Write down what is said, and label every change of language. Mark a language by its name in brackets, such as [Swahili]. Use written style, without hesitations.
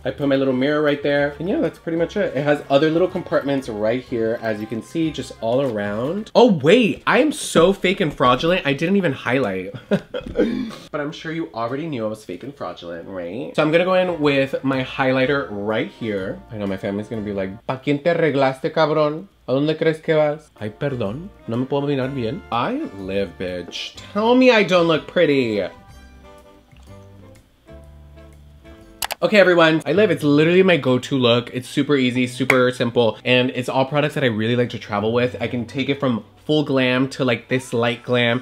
[English] I put my little mirror right there. And yeah, that's pretty much it. It has other little compartments right here, as you can see, just all around. Oh wait, I am so fake and fraudulent. I didn't even highlight. But I'm sure you already knew I was fake and fraudulent, right? So I'm gonna go in with my highlighter right here. I know my family's gonna be like, [Spanish] ¿Pa quién te arreglaste, cabrón? ¿A dónde crees que vas? Ay, perdón. No me puedo mirar bien. [English] I live, bitch. Tell me I don't look pretty. Okay, everyone, I live. It's literally my go-to look. It's super easy, super simple, and it's all products that I really like to travel with. I can take it from full glam to like this light glam.